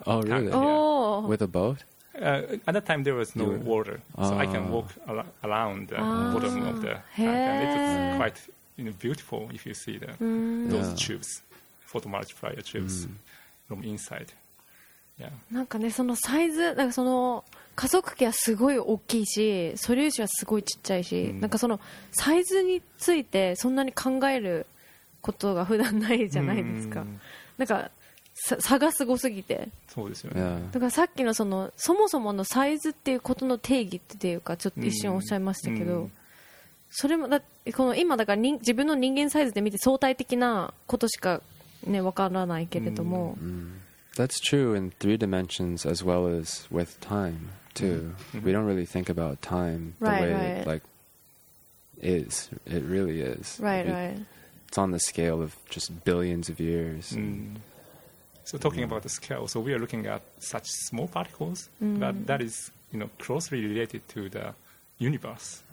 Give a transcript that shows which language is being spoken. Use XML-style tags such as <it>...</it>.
<en>Oh really? Yeah. Oh. With a boat. At that time there was no water, so I can walk around the bottom of the tank, and it's quite beautiful if you see those tubes, photomultiplier tubes from inside. Yeah.</en> <ja>なんかねそのサイズ、なんかその加速器はすごい大きいし、素粒子はすごいちっちゃいし、なんかそのサイズについてそんなに考えることが普段ないじゃないですか。なんか差がすごすぎて。そうですよね。だからさっきの その、そもそものサイズっていうことの定義っていうか、ちょっと一瞬おっしゃいましたけど、それもだこの今だから自分の人間サイズで見て相対的なことしかね分からないけれども、うん、</ja> <en>That's true in three dimensions as well as with time too. We don't really think about time the right, way right. it like is. It really is. Right, like, right. It's on the scale of just billions of years. So talking about the scale, so we are looking at such small particles, but that is, you know, closely related to the universe.</en>